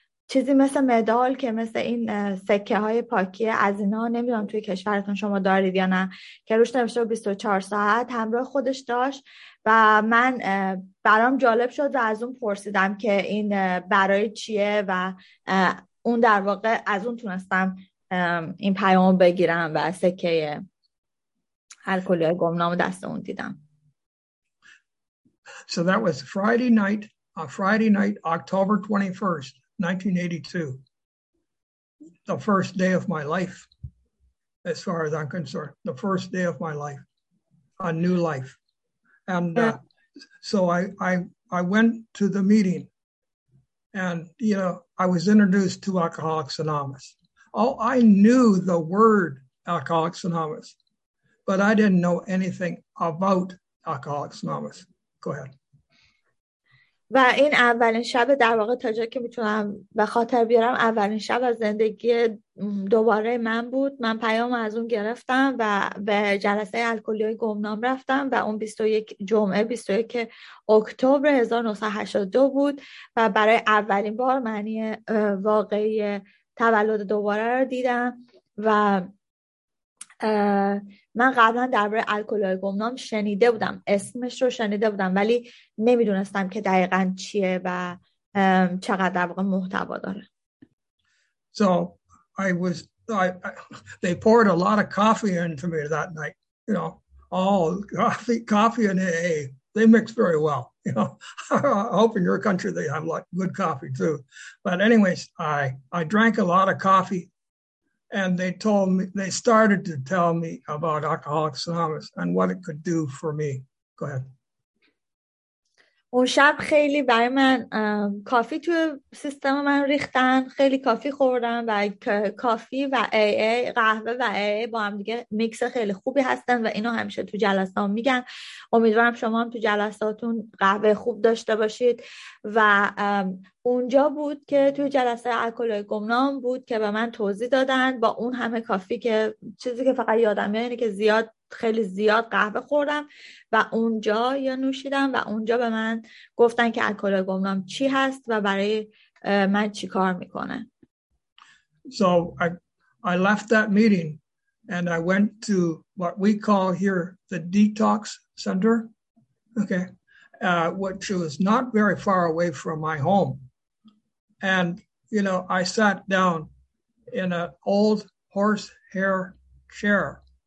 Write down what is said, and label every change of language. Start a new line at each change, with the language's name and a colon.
Persian: چیزی مثل مدال که مثل این سکه های پاکی از اینا، نمیدونم توی کشورتون شما دارید یا نه، که روش نوشته 24 ساعت، همراه خودش داشت و من برام جالب شد و از اون پرسیدم که این برای چیه و اون در واقع از اون تونستم این پیامو بگیرم و سکه الکلی گمنام دست اون دیدم.
English: So that was Friday night, October 21st, 1982. The first day of my life, as far as I'm concerned, the first day of my life, a new life. And so I went to the meeting and, you know, I was introduced to Alcoholics Anonymous. Oh, I knew the word Alcoholics Anonymous, but I didn't know anything about Alcoholics Anonymous. Go ahead.
Persian: و این اولین شب در واقع تا جایی که میتونم به خاطر بیارم اولین شب از زندگی دوباره من بود. من پیام از اون گرفتم و به جلسه الکلی های گمنام رفتم و اون 21 جمعه 21 اکتبر 1982 بود و برای اولین بار معنی واقعی تولد دوباره رو دیدم. و من قبلا درباره الکلی گمنام شنیده بودم، اسمش رو شنیده بودم، ولی نمیدونستم که دقیقا چیه و چقدر در واقع محتوا داره.
English: So I was they poured a lot of coffee into me that night, you know, all coffee and AA. They mix very well, you know. I hope in your country they have like good coffee too. But anyways, I drank a lot of coffee. And they told me, they started to tell me about Alcoholics Anonymous and what it could do for me. Go ahead.
Persian: اون شب خیلی برای من کافی تو سیستم من ریختن، خیلی کافی خوردم و کافی و AA، قهوه و AA با هم دیگه میکس خیلی خوبی هستن و اینو همیشه تو جلسه هم میگن. امیدوارم شما هم تو جلساتون قهوه خوب داشته باشید. و اونجا بود که تو جلسه الکلی گمنام بود که به من توضیح دادن با اون همه کافی که چیزی که فقط یادم میاد اینه که زیاد خیلی زیاد قهوه خوردم و اونجا یا نوشیدم و اونجا به من گفتن که الکلی گمنام چی هست و برای من چی کار میکنه.
English: So I left that meeting and I went to what we call here the detox center. Okay. Which was not very far away from my home. And you know, I sat down in an old horse hair chair.